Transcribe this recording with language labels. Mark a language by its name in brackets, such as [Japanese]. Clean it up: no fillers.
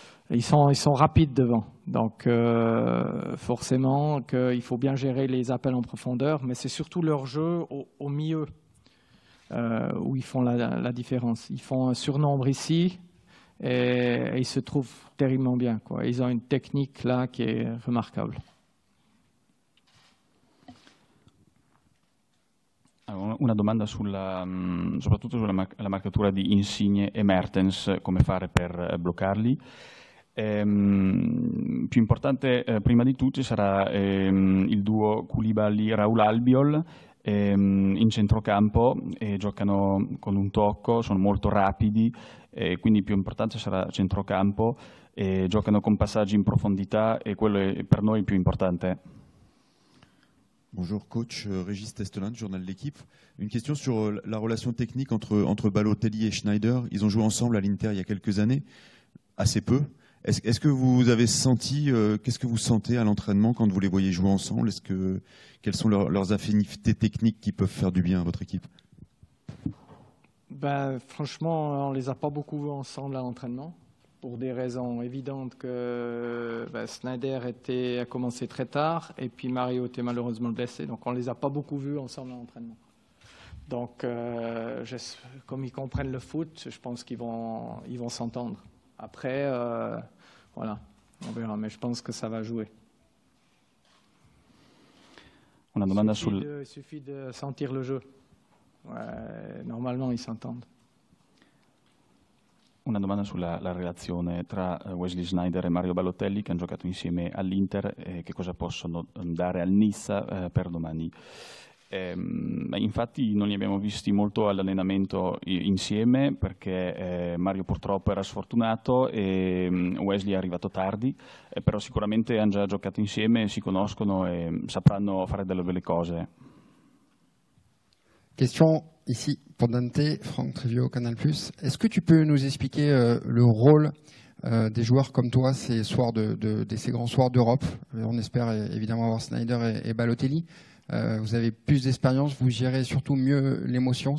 [French] Ils sont rapides devant. Donc forcément, il faut bien gérer les appels en profondeur. Mais c'est surtout leur jeu au milieu où ils font la différence. Ils font un surnombre ici. Et ils se trouvent terriblement bien, quoi. Ils ont une technique là qui est remarquable. [Italian] Allora, una domanda soprattutto sulla la marcatura di Insigne e Mertens, come fare per bloccarli. Più importante prima di tutti sarà il duo Koulibaly-Raul Albiol. In centrocampo giocano con un tocco, sono molto rapidi, quindi più importante sarà centrocampo, giocano con passaggi in profondità e quello è per noi il più importante. [French] Bonjour coach, Régis Testelin, journal L'Équipe. Une question sur la relation technique entre Balotelli et Schneider. Ils ont joué ensemble à l'Inter il y a quelques années, assez peu. Est-ce que vous avez senti, qu'est-ce que vous sentez à l'entraînement quand vous les voyez jouer ensemble? Quelles sont leurs affinités techniques qui peuvent faire du bien à votre équipe? Ben, franchement, on ne les a pas beaucoup vus ensemble à l'entraînement, pour des raisons évidentes que Schneider a commencé très tard, et puis Mario était malheureusement blessé, donc on ne les a pas beaucoup vus ensemble à l'entraînement. Donc, comme ils comprennent le foot, je pense qu'ils vont s'entendre. Après, voilà, on verra, mais je pense que ça va jouer. [Italian] Una domanda sul... [French] il suffit de sentir le jeu. Ouais, normalement, ils s'entendent. [Italian] Una domanda sulla la relazione tra Wesley Sneijder e Mario Balotelli, che hanno giocato insieme all'Inter, che cosa possono dare al Nizza per domani? Infatti non li abbiamo visti molto all'allenamento insieme perché Mario purtroppo era sfortunato e Wesley è arrivato tardi, però sicuramente hanno già giocato insieme, si conoscono e sapranno fare delle belle cose. [French] Question ici pour Dante, Franck Trivio, Canal Plus. Est-ce que tu peux nous expliquer le rôle des joueurs comme toi ces soirs de ces grands soirs d'Europe? On espère évidemment avoir Sneijder et Balotelli. Vous avez plus d'expérience, vous gérez surtout mieux l'émotion.